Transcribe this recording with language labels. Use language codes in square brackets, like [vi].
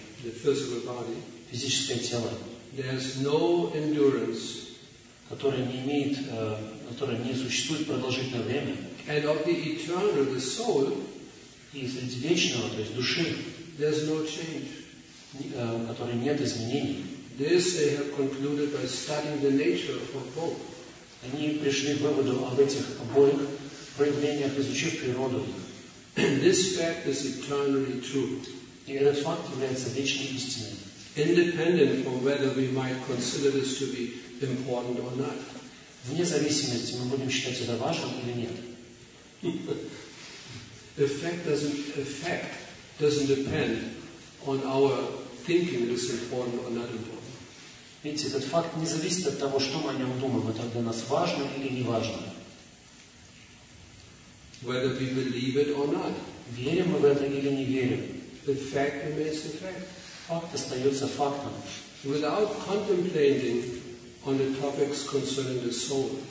[en] the physical body, [ru] физическое тело, [en] there is no endurance, [ru] которое не имеет, которое не существует продолжительное время, [en] and of the eternal, the soul, [ru] и среди вечного, то есть души, [en] there is no change. [ru] Которой нет изменений. [en] This they have concluded by studying the nature of both. [ru] Они пришли к выводу об этих обоих проявлениях, изучив природу. [en] This fact is eternally true. [ru] И этот факт является вечной истиной. [en] Independent of whether we might consider this to be important or not. [ru] Вне зависимости, мы будем считать это важным или нет. [en] Effect doesn't depend on our thinking is important or not important. [ru] Видите, этот факт не зависит от того, что мы о нем думаем. Это для нас важно или не важно. [en] Whether we believe it or not. [ru] Верим мы в это или не верим. [en] The fact remains the fact. [ru] Факт остается фактом. [en] Without contemplating on the topics concerning the soul.